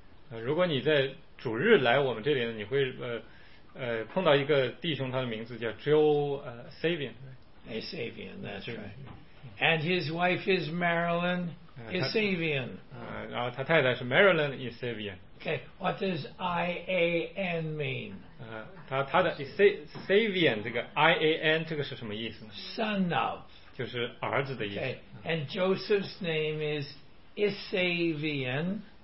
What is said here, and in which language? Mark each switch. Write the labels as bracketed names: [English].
[Chinese] 如果你在主日来我们这里呢，你会碰到一个弟兄，他的名字叫 Joe Isavian, [English] that's right. And his wife is Marilyn Isavian. [Chinese] 然后他太太是 Marilyn Isavian. [English] Okay, what does I-A-N mean? [Chinese] 他的 Isavian 这个 I-A-N 这个是什么意思呢？ [English] Son of. [Chinese] 就是儿子的意思。 [English] Okay, and Joseph's name is Isavian.